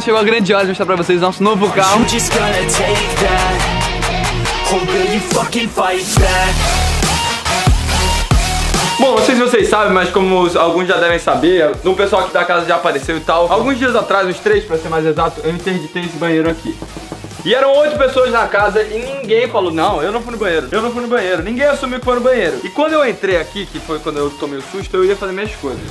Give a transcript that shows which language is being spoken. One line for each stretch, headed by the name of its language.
Portuguese: Chegou a grande hora de mostrar pra vocês nosso novo carro.
English: You just gotta take that. Hope you fucking fight back.
Portuguese: Bom, não sei se vocês sabem, mas como alguns já devem saber, um pessoal aqui da casa já apareceu e tal. Alguns dias atrás, uns 3 pra ser mais exato, eu interditei esse banheiro aqui. E eram 8 pessoas na casa e ninguém falou, não, eu não fui no banheiro, eu não fui no banheiro. Ninguém assumiu que foi no banheiro. E quando eu entrei aqui, que foi quando eu tomei o susto, eu ia fazer minhas coisas.